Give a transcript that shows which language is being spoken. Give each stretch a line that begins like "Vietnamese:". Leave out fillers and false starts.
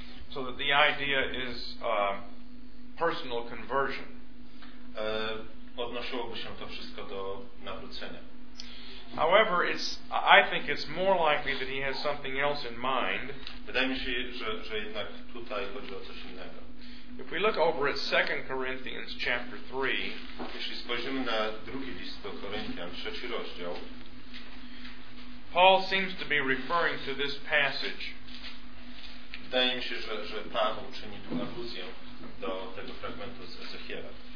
English: So that the idea is personal conversion.
Polish: Odnosiłoby się to wszystko do nawrócenia.
English: However, I think it's more likely that he has something else in mind.
Polish: Wydaje mi się, że jednak tutaj chodzi o coś innego.
English: If we look over at 2 Corinthians chapter 3,
Polish: jeśli spojrzymy na drugi list do Koryntian, trzeci rozdział,
English: Paul seems to be referring to this passage.
Polish: Wydaje mi się, że Paweł czyni tu aluzję do tego fragmentu z Ezechiela.